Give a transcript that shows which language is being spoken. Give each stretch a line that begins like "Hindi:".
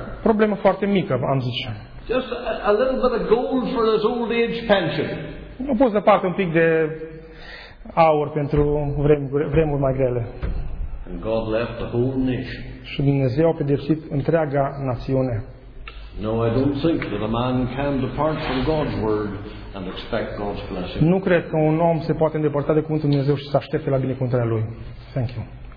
Romanian: Problemă foarte mică, am zice.
English: Just a little bit of gold for his old age pension.
Romanian: Nu poți să parte un pic de aur pentru vremuri mai grele.
English: And God left the whole nation.
Romanian: Și Dumnezeu a pedepsit întreaga națiune.
English: No, I don't think that a man can depart from God's word and expect God's blessing.
Romanian: Nu cred că un om se poate îndepărta de cuvântul Dumnezeu și să aștepte la binecuvântarea lui.
English: Thank you.